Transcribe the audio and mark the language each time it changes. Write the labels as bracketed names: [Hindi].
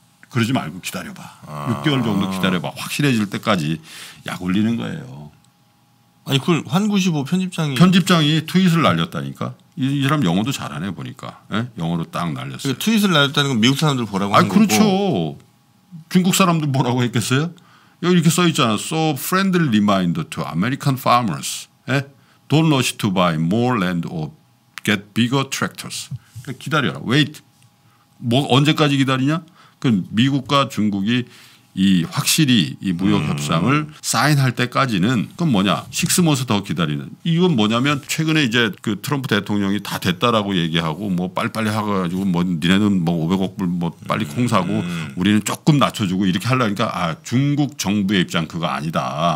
[Korean] 그러지 말고 기다려봐. 6개월 정도 기다려봐. 확실해질 때까지 약 올리는 거예요. 아니 그걸 환구시보 편집장이. 편집장이 트윗을 날렸다니까. 이 사람 영어도 잘하네 보니까. 네? 영어로 딱 날렸어요. 그러니까 트윗을 날렸다는 건 미국 사람들 보라고 한 거고. 그렇죠. 중국 사람들 보라고 했겠어요? 여기 이렇게 써 있잖아. [English] So friendly reminder to American farmers. [Korean] 네? [English] Don't rush to buy more land or get bigger tractors. [Korean] 기다려라. Wait. 뭐 언제까지 기다리냐? 그럼 미국과 중국이 이 확실히 이 무역 협상을 사인할 때까지는 그건 뭐냐? 6개월 더 기다리는. 이건 뭐냐면 최근에 이제 그 트럼프 대통령이 다 됐다라고 얘기하고 뭐 빨리빨리 하가지고 뭐 니네는 뭐 500억 불 뭐 빨리 콩 사고 우리는 조금 낮춰주고 이렇게 하려니까 아 중국 정부의 입장 그거 아니다.